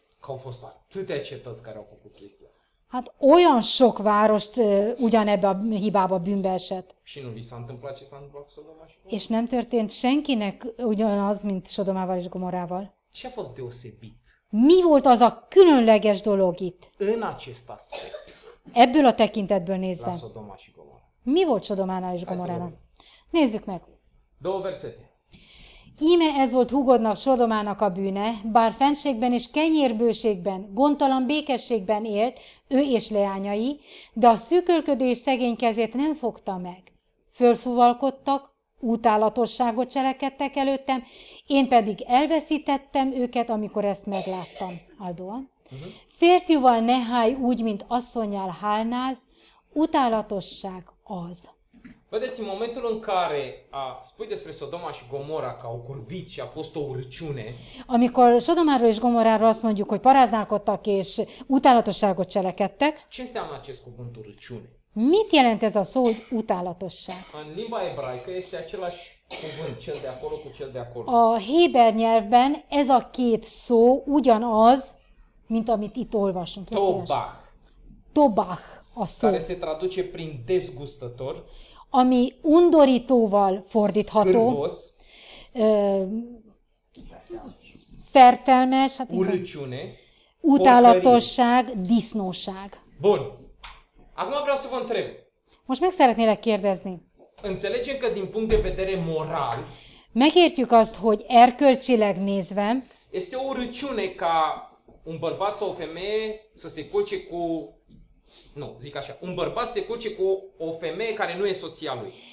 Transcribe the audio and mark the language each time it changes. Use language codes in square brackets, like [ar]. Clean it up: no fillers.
[ro] Că au fost atâtea cetăți care au făcut chestia asta. [hu] Hát olyan sok várost ugyanebbe a hibába bűnbe esett. [ro] Și nu vi s-a întâmplat ce s-a întâmplat cu Sodoma și [hu] Gomorra? És nem történt senkinek ugyanaz, mint Sodomával és Gomorrával. [ro] Ce a fost deosebit? [hu] Mi volt az a különleges dolog itt? [ro] În acest aspect. [hu] Ebből a tekintetből nézve. [ro] La Sodoma și Gomorra. [hu] Mi volt Sodománál és Gomorrának? Nézzük meg. [ro] Două versete. [hu] Íme ez volt húgodnak Sodomának a bűne, bár fenségben és kenyérbőségben, gondtalan békességben élt ő és leányai, de a szűkölködés szegény kezét nem fogta meg. Fölfuvalkodtak, utálatosságot cselekedtek előttem, én pedig elveszítettem őket, amikor ezt megláttam. Aldóan. Férfival ne hálj úgy, mint asszonnyal hálnál, utálatosság az. [ro] Vedeți, în momentul în care spui despre Sodoma și Gomorra că au curvit și a fost o urciune. [hu] Amikor Sodomáról és Gomorráról azt mondjuk, hogy paráználkodtak és utálatosságot cselekedtek. [ro] Ce înseamnă acest cuvânt urciune? [hu] Mit jelent ez a szó, hogy utálatosság? [ro] În limba ebraică este același cuvânt, cel de acolo cu cel de acolo. [hu] A héber nyelvben ez a két szó ugyanaz, mint amit itt olvasunk. [ro] Tobach. [hu] Tobach a szó. [ro] Care se traduce prin dezgustător. [hu] Ami undorítóval fordítható. [ro] Szkârvos, [hu] fertelmes. Hát [ro] urciune. [hu] Utálatosság, [ro] porcării. [hu] Disznóság. [ro] Bun. Acum vreau să vă întreb. [hu] Most meg szeretnélek kérdezni. [ro] Înțelegem că din punct de vedere moral. [hu] Megértjük azt, hogy erkölcsileg nézve. [ro] Este o urciune ca un bărbat sau o femeie să se culce cu Nu, zic așa, un bărbat se culce cu o femeie care nu e soția lui.